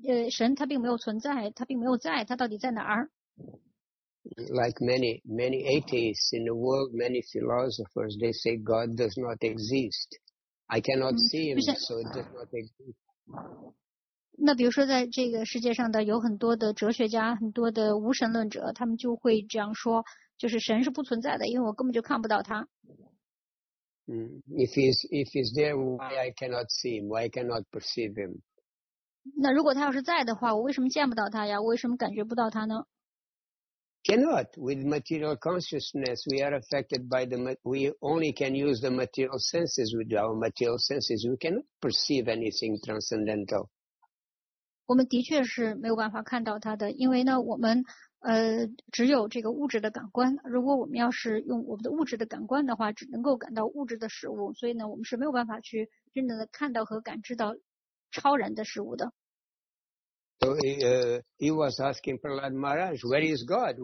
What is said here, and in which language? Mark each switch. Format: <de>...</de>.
<zh>神他并没有存在，他并没有在，他到底在哪儿？</zh> <en>Like many, many atheists in the world, many philosophers, they say God does not exist. I cannot see him, so it does not exist.</en> <zh>那比如说在这个世界上的有很多的哲学家，很多的无神论者，他们就会这样说，就是神是不存在的，因为我根本就看不到他。</zh> <en>If he's there, why I cannot see him? Why I cannot perceive him?</en> <zh>那如果他要是在的话，我为什么见不到他呀？我为什么感觉不到他呢？</zh> <en>Cannot. With material consciousness, we are affected by the. We only can use the material senses. With our material senses, we cannot perceive anything transcendental.</en> <zh>我们的确是没有办法看到他的，因为呢，我们。只有这个物质的感官，如果我们要是用我们的物质的感官的话，只能够感到物质的事物，所以呢，我们是没有办法去真正的看到和感知到超然的事物的。</zh> <en>So he was asking Prahlad Maharaj, where is God?</en>